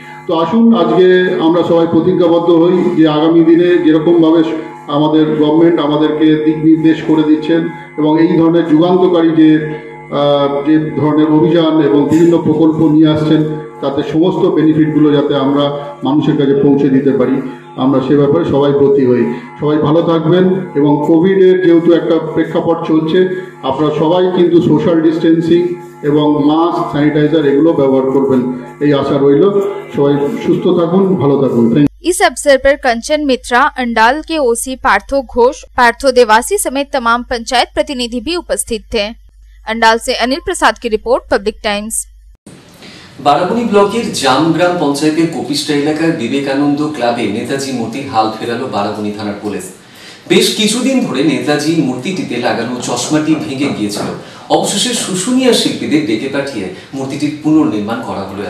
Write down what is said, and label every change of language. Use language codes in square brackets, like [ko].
[bn] তো আসুন আজকে আমরা সবাই প্রতিজ্ঞাবদ্ধ হই যে আগামী দিনে যেরকমভাবে আমাদের গভর্নমেন্ট আমাদেরকে দিক নির্দেশ করে দিচ্ছেন এবং এই ধরনের যুগান্তকারী যে যে ধরনের অভিযান এবং বিভিন্ন প্রকল্প নিয়ে আসছেন তাতে সমস্ত বেনিফিটগুলো যাতে আমরা মানুষের কাছে পৌঁছে দিতে পারি আমরা সে ব্যাপারে সবাই প্রতি হই। সবাই ভালো থাকবেন এবং কোভিডের যেহেতু একটা প্রেক্ষাপট চলছে আপনারা সবাই কিন্তু সোশ্যাল ডিস্টেন্সিং এবং মাস্ক স্যানিটাইজার এগুলো ব্যবহার করবেন, এই আশা রইল। সবাই সুস্থ থাকুন, ভালো থাকুন। [hi] इस अवसर पर कंचन मित्रा, अंडाल के ओसी पार्थो घोष, पार्थो देवासी समेत तमाम पंचायत प्रतिनिधि भी उपस्थित थे। अंडाल से अनिल प्रसाद की रिपोर्ट, पब्लिक टाइम्स। [bn] বারাবণী ব্লকের জামগ্রাম পঞ্চায়েতের কপিষ্টা এলাকার বিবেকানন্দ ক্লাবে নেতাজি মূর্তির হাল ফেরালো বারাবণী থানার পুলিশ। বেশ কিছুদিন ধরে নেতাজি মূর্তিটিতে লাগানো চশমাটি ভেঙে গিয়েছিল। অবশেষে শুশুনিয়া শিল্পীদের ডেকে পাঠিয়ে মূর্তিটির পুনর্নির্মাণ করা হলো।